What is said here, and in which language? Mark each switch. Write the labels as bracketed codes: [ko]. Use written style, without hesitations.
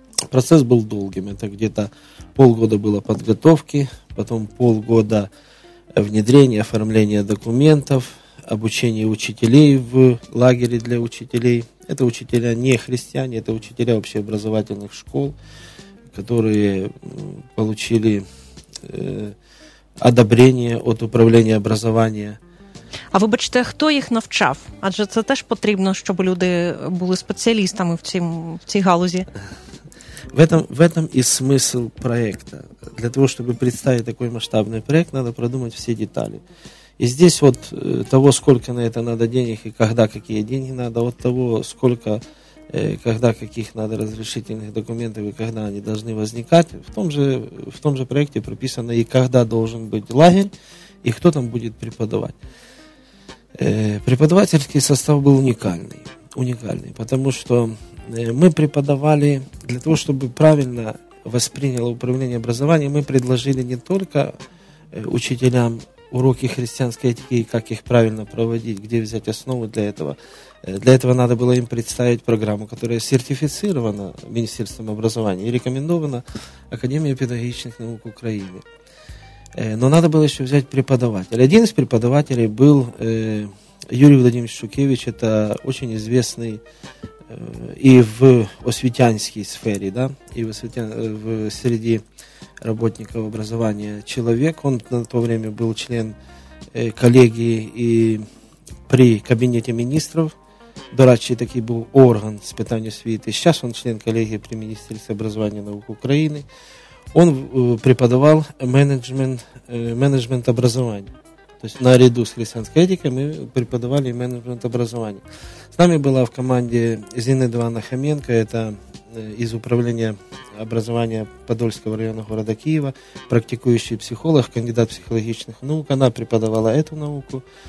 [ru] Процесс был долгим. Это где-то полгода было подготовки, потом полгода внедрения, оформления документов, обучения учителей в лагере для учителей. Это учителя не христиане, это учителя общеобразовательных школ, которые получили одобрение от управления образования. [uk] А вы бачите, кто их навчав? Адже це теж потрібно, щоб люди були спеціалістами в цій галузі. [ru] В этом и смысл проекта. Для того, чтобы представить такой масштабный проект, надо продумать все детали. И здесь вот того, сколько на это надо денег и когда какие деньги надо, от того, сколько, когда каких надо разрешительных документов и когда они должны возникать, в том же проекте прописано и когда должен быть лагерь, [uk] і хто там буде преподавати. Преподавательський состав був унікальний. Унікальний, тому що ми преподавали для того, щоб правильно восприйняло управління образованням, ми предложили не тільки учителям уроки християнської етики, як їх правильно проводити, де взяти основу для цього. Для цього треба було їм представити програму, яка сертифікована Міністерством образування і рекомендована Академією педагогічних наук України. Но треба було ще взяти преподавателя. Один з преподавателів був Юрій Володимирович Шукевич, це дуже відомий і в освітянській сфері, да? [ru] І в серед работников образования человек. Он на то время был член коллегии и при кабинете министров. [uk] До речі, такий був орган з питань освіти. [ru] Сейчас он член коллегии при Министерстве образования и наук Украины. Он преподавал менеджмент образования. То есть наряду с христианской этикой мы преподавали менеджмент образования. С нами была в команде Зинаида Ивановна Хоменко, это из управления образования Подольского района города Киева, практикующий психолог, кандидат психологических наук, она преподавала эту науку.